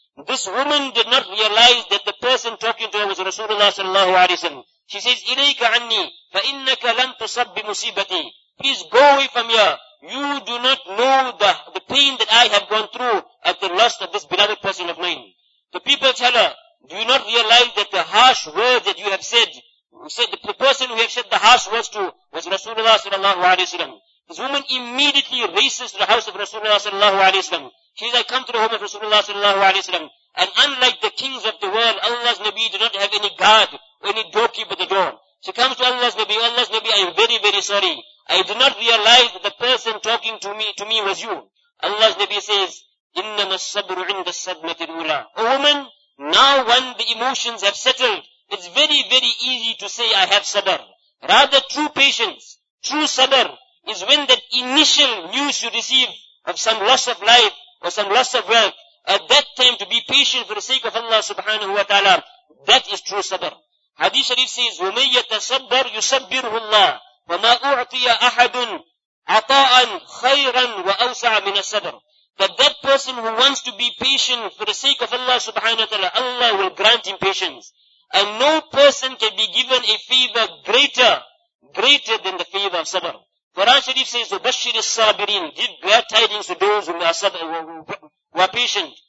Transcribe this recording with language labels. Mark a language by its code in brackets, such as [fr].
[en] This woman did not realize that the person talking to her was Rasulullah sallallahu alayhi wa sallam. She says, [ar] إِلَيْكَ عَنِّي فَإِنَّكَ لَمْ تُصَبْ بِمُصِيبَتِي. [en] Please go away from here. You do not know the pain that I have gone through at the loss of this beloved person of mine. The people tell her, do you not realize that the harsh words that you have said, the person who have said the harsh words to was Rasulullah sallallahu alayhi wa sallam. This woman immediately races to the house of Rasulullah sallallahu alayhi wa sallam. She says, I come to the home of Rasulullah sallallahu alayhi wa sallam. And unlike the kings of the world, Allah's Nabi did not have any guard, any doorkeeper at the door. She comes to Allah's Nabi, Allah's Nabi, I am very, very sorry. I did not realize that the person talking to me was you. Allah's Nabi says, [ar] إِنَّمَا الصَّبْرُ عِنْدَ الصَّدْمَةِ الْأُولَىٰ. [en] O woman, now when the emotions have settled, it's very, very easy to say, I have sabr. Rather, true patience, true sabr, is when that initial news you receive of some loss of life or some loss of wealth, at that time to be patient for the sake of Allah subhanahu wa ta'ala, that is true sabr. Hadith Sharif says, [ar] وَمَنْ يَتَصَبَّرْ يُصَبِّرْهُ اللَّهِ وَمَا أُعْطِيَ أَحَدٌ عَطَاءً خَيْرًا وَأَوْسَعَ مِنَ السَّبَرْ. [en] That person who wants to be patient for the sake of Allah subhanahu wa ta'ala, Allah will grant him patience. And no person can be given a favor greater than the favor of sabr. Quran Sharif says, [ar] وَبَشِّرِ الصَّابِرِينَ. [en] Give glad tidings to those who are patient.